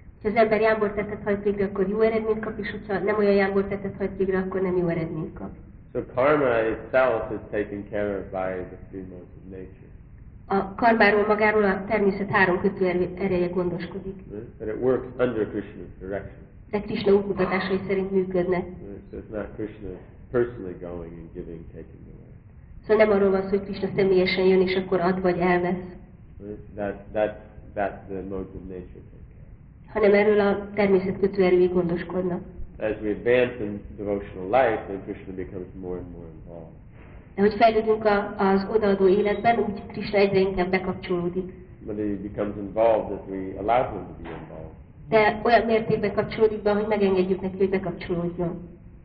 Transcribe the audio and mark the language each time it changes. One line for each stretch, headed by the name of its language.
Hungarian: Ha az ember jámbor tettet hajt végre, akkor jó eredményt kap, és hogyha nem olyan jámbor tettet hajt végre, akkor nem jó eredményt kap.
English: So karma itself is taken care of by the three modes of nature.
Hungarian: A karmáról magáról a természet három kötő ereje gondoskodik.
English: But it works under Krishna's direction.
Hungarian: De Krishna útmutatásai szerint működnek.
English: So it's not Krishna personally going and giving, taking.
Hungarian: Szóval nem arról van szó, hogy Krishna személyesen jön, és akkor ad vagy elvesz.
English: That's the mode of nature.
Hungarian: Hanem erről a természet kötő erői gondoskodnak.
English: As we advance in devotional life, then Krishna becomes more and more involved.
Hungarian: De hogy fejlődünk az odaadó életben, úgy Krishna egyre inkább bekapcsolódik.
English: But he becomes involved as we allow him to be involved.
Hungarian: De olyan mértékben kapcsolódik be, hogy megengedjük neki, hogy bekapcsolódjon.